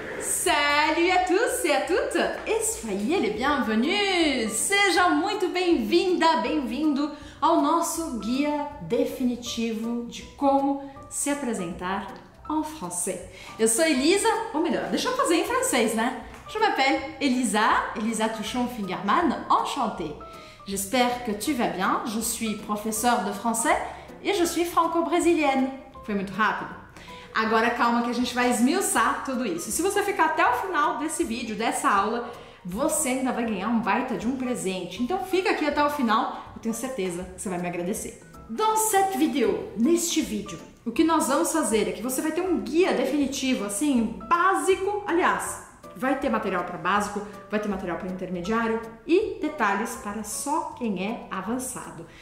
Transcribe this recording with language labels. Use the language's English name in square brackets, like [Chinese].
[French] Salut à tous et à toutes et soyez les bienvenus. [Portuguese] Seja muito bem-vinda, bem-vindo ao nosso guia definitivo de como se apresentar [French] en français. [Portuguese] Eu sou Elisa, ou melhor, deixa eu fazer em francês, né? [French] Je m'appelle Elisa, Elisa Touchon-Fingerman, enchantée. J'espère que tu vas bien, je suis professeure de français et je suis franco-brésilienne. [Portuguese] Foi muito rápido. Agora calma que a gente vai esmiuçar tudo isso. Se você ficar até o final desse vídeo, dessa aula, você ainda vai ganhar um baita de um presente. Então fica aqui até o final, eu tenho certeza que você vai me agradecer. [French] Dans cette vidéo, [Portuguese] neste vídeo, o que nós vamos fazer é que você vai ter um guia definitivo, assim, básico, aliás, vai ter material para básico, vai ter material para intermediário e detalhes para só quem é avançado.